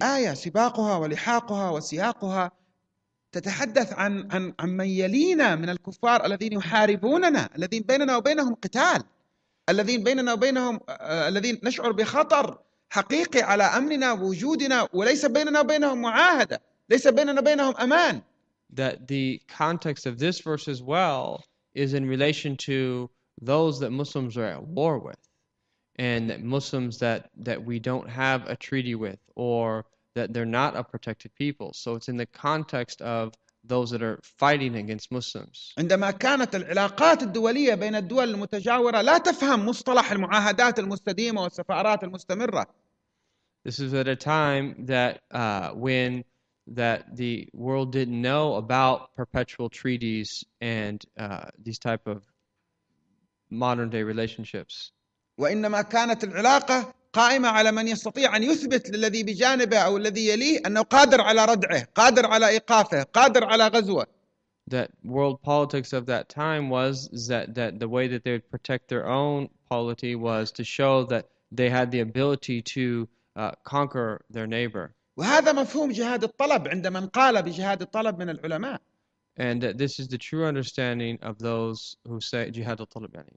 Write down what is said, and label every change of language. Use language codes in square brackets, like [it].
[ar] الآية سباقها ولحاقها وسياقها تتحدث عن من يلينا من الكفار الذين يحاربوننا الذين بيننا وبينهم قتال الذين بيننا وبينهم الذين نشعر بخطر حقيقي على أمننا ووجودنا وليس بيننا وبينهم معاهدة ليس بيننا وبينهم أمان. [en] That the context of this verse as well is in relation to those that Muslims are at war with and that Muslims that we don't have a treaty with or that they're not a protected people. So it's in the context of those that are fighting against Muslims. [ar] عندما كانت العلاقات الدولية بين الدول المتجاورة لا تفهم مصطلح المعاهدات المستديمة والسفارات المستمرة. [en] This is at a time that when that the world didn't know about perpetual treaties and these type of modern day relationships. [ar] وإنما كانت العلاقة قائمة على من يستطيع أن يثبت للذي بجانبه أو الذي يليه أنه قادر على ردعه، قادر على إيقافه، قادر على غزوه. [en] That world politics of that time was that the way that they would protect their own polity was to show that they had the ability to conquer their neighbor. [ar] وهذا مفهوم جهاد الطلب عند من قال بجهاد الطلب من العلماء. [en] And this is the true understanding of those who say jihad al-talib.